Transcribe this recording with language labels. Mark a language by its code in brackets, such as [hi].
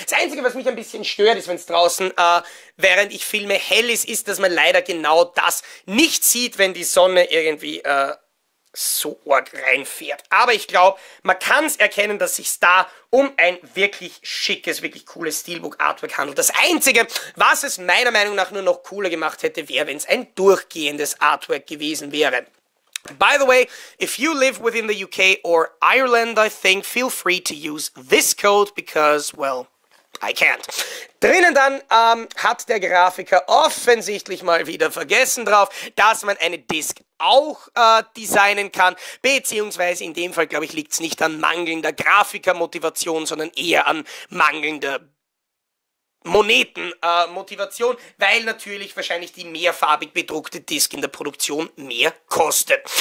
[de] Das Einzige, was mich ein bisschen stört, ist, wenn es draußen, während ich filme, hell ist, ist, dass man leider genau das nicht sieht, wenn die Sonne irgendwie so arg reinfährt. Aber ich glaube, man kann es erkennen, dass sich da um ein wirklich schickes, wirklich cooles Steelbook-Artwork handelt. Das Einzige, was es meiner Meinung nach nur noch cooler gemacht hätte, wäre, wenn es ein durchgehendes Artwork gewesen wäre. [en] By the way, if you live within the UK or Ireland, I think, feel free to use this code because, well, I can't. [de] Drinnen dann hat der Grafiker offensichtlich mal wieder vergessen drauf, dass man eine Disc auch designen kann, beziehungsweise in dem Fall, glaube ich, liegt es nicht an mangelnder Grafikermotivation, sondern eher an mangelnder Monetenmotivation, weil natürlich wahrscheinlich die mehrfarbig bedruckte Disc in der Produktion mehr kostet.